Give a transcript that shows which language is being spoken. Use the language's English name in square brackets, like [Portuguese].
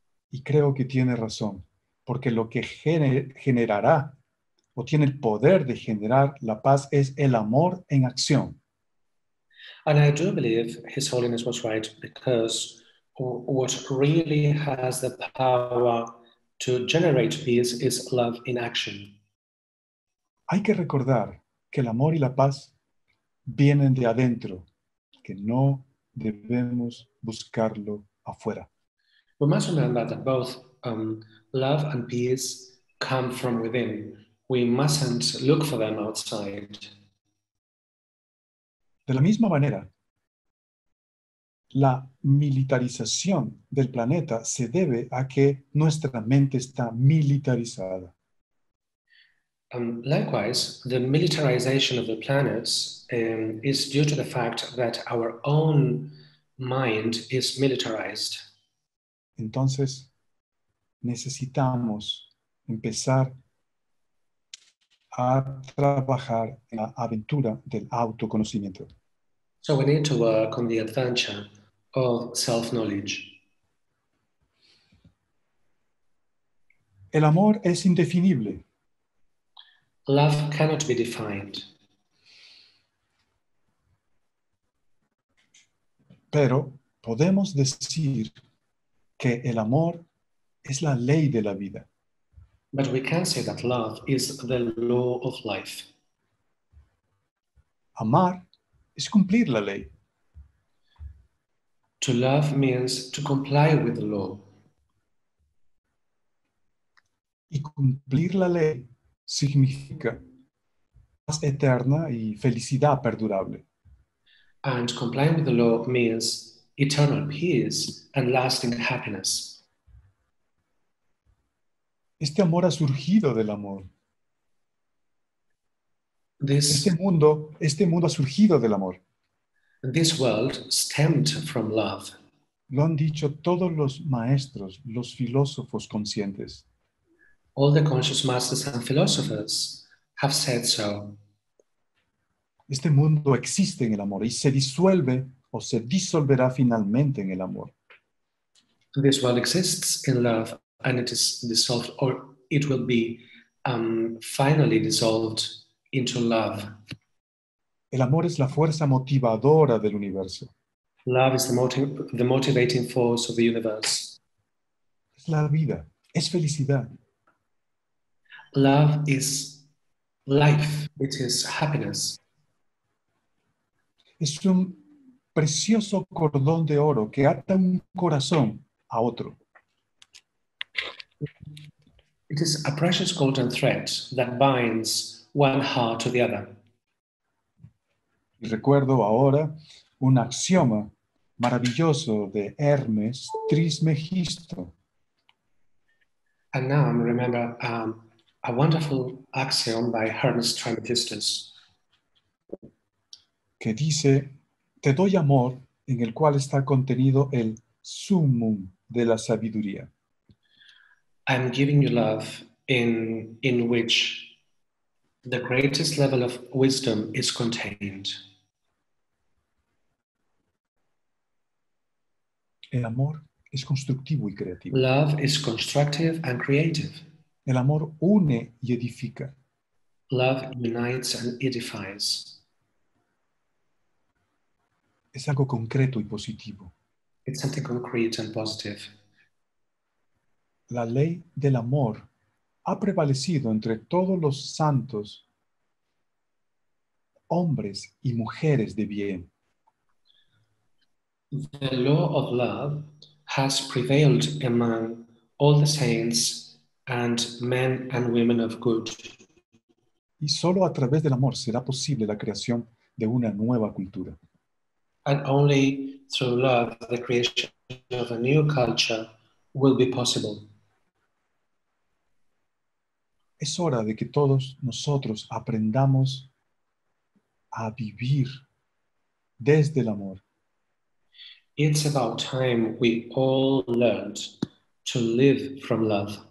[Spanish] Y creo que tiene razón, porque lo que generará o tiene el poder de generar la paz es el amor en acción. [English] And I do believe His Holiness was right, because what really has the power to generate peace is love in action. [Spanish] Hay que recordar que el amor y la paz vienen de adentro, que no debemos buscarlo afuera. [English] We must remember that both love and peace come from within. We mustn't look for them outside. [Spanish] De la misma manera, la militarización del planeta se debe a que nuestra mente está militarizada. [English] Likewise, the militarization of the planets is due to the fact that our own mind is militarized. [Spanish] Entonces, necesitamos empezar a trabajar en la aventura del autoconocimiento. [English] So we need to work on the adventure of self-knowledge. [Spanish] El amor es indefinible. [English] Love cannot be defined. [Spanish] Pero podemos decir que el amor es la ley de la vida. [English] But we can say that love is the law of life. [Spanish] Amar es cumplir la ley. [English] To love means to comply with the law. [Spanish] Y cumplir la ley significa paz eterna y felicidad perdurable. [English] And complying with the law means eternal peace and lasting happiness. [Spanish] Este amor ha surgido del amor. [English] This, [Spanish] este mundo ha surgido del amor. [English] This world stemmed from love. [Spanish] Lo han dicho todos los maestros, los filósofos conscientes. [English] All the conscious masters and philosophers have said so. [Spanish] Este mundo existe en el amor y se disuelve o se disolverá finalmente en el amor. [English] This world exists in love and it is dissolved, or it will be finally dissolved into love. [Spanish] El amor es la fuerza motivadora del universo. [English] Love is the motivating force of the universe. [Spanish] Es la vida, es felicidad. [English] Love is life, it is happiness. [Spanish] Es un precioso cordón de oro que ata un corazón a otro. [English] It is a precious golden thread that binds one heart to the other. [Spanish] Recuerdo ahora un axioma maravilloso de Hermes Trismegisto. [English] And now I remember a wonderful axiom by Hermes Trismegisto. [Spanish] Que dice, te doy amor en el cual está contenido el sumum de la sabiduría. [English] I'm giving you love in which the greatest level of wisdom is contained. [Spanish] El amor es constructivo y creativo. [English] Love is constructive and creative. [Spanish] El amor une y edifica. [English] Love unites and edifies. [Spanish] Es algo concreto y positivo. [English] It's something concrete and positive. [Spanish] La ley del amor ha prevalecido entre todos los santos, hombres y mujeres de bien. [English] The law of love has prevailed among all the saints and men and women of good. [Spanish] Y solo a través del amor será posible la creación de una nueva cultura. [English] And only through love the creation of a new culture will be possible. [Spanish] Es hora de que todos nosotros aprendamos a vivir desde el amor. [English] It's about time we all learned to live from love.